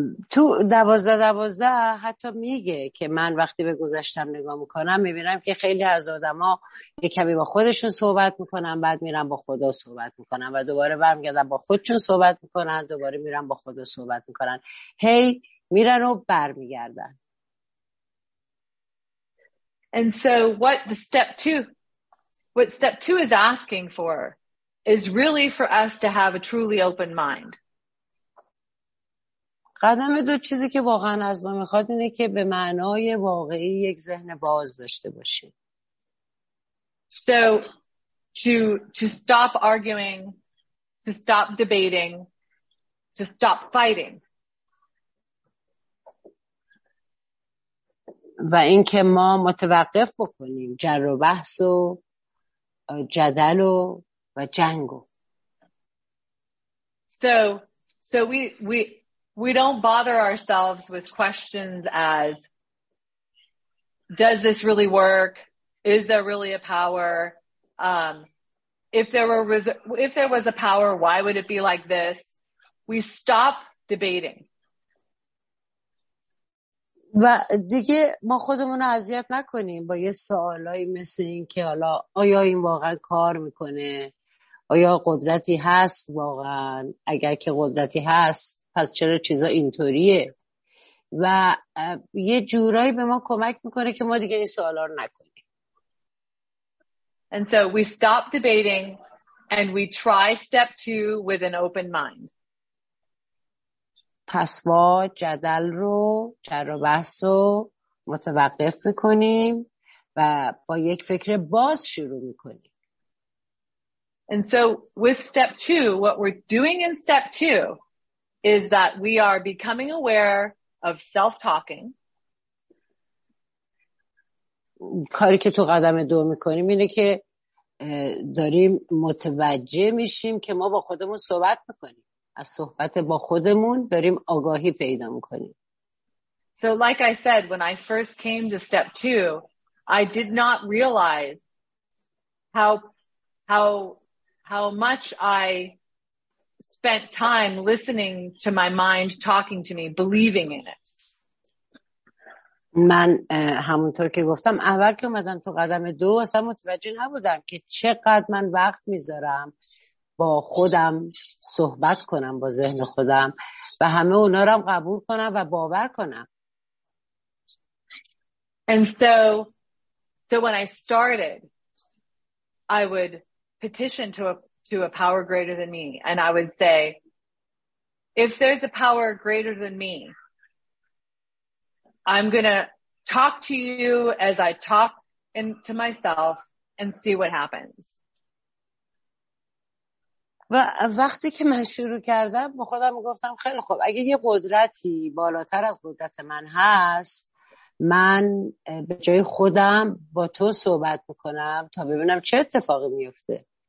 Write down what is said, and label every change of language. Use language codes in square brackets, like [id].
[fa] تو دوازده دوازده حتی میگه که من وقتی به گذشتم نگاه میکنم میبینم که خیلی از آدم ها یکمی با خودشون صحبت میکنن بعد میرن با خدا صحبت میکنن و دوباره برمیگردن با خودشون صحبت میکنن دوباره میرن با خدا صحبت میکنن میرن و برمیگردن. [en] And so what step two is asking for is really for us to have a truly open mind. [fa] قدم دو چیزی که واقعا از ما میخواد اینه که به معنای واقعی یک ذهن باز داشته باشیم. [en] So to stop arguing, to stop debating, to stop fighting. [fa] و اینکه ما متوقف بکنیم جر و بحث و جدل و جنگ. [en] So we don't bother ourselves with questions as, does this really work? Is there really a power? If there was a power, why would it be like this? We stop debating. [fa] و دیگه ما خودمون رو اذیت نکنیم با یه سوالایی مثل این که حالا آیا این واقعا کار میکنه؟ آیا قدرتی هست واقعا؟ اگر که قدرتی هست پس چرا چیزا اینطوریه و یه جورایی به ما کمک میکنه که ما دیگه این سوالا رو نکنیم. [en] And so we stop debating and we try step 2 with an open mind. [fa] پس ما جدل رو جر و بحث رو متوقف میکنیم و با یک فکر باز شروع میکنیم. [en] And so with step 2 what we're doing in step 2 is that we are becoming aware of self-talking. [fa] کاری که تو قدم دو میکنیم اینه که داریم متوجه میشیم که ما با خودمون صحبت میکنیم. از صحبت با خودمون داریم آگاهی پیدا میکنیم. [en] So like I said, when I first came to step 2, I did not realize how much I spent time listening to my mind talking to me, believing in it. [fa] من همونطور که گفتم اول که اومدم تو قدم دو اصلا متوجه نبودم که چقدر من وقت میذارم با خودم صحبت کنم، با ذهن خودم و همه اونا رو هم قبول کنم و باور کنم. [en] And so when I started, I would petition to a power greater than me, and I would say, if there's a power greater than me, I'm gonna talk to you as I talk to myself and see what happens. [fa] و وقتی که من شروع کردم با خودم گفتم خیلی خوب، اگه یه قدرتی بالاتر از قدرت من هست، من به جای خودم با تو صحبت بکنم تا ببینم چه اتفاقی میفته.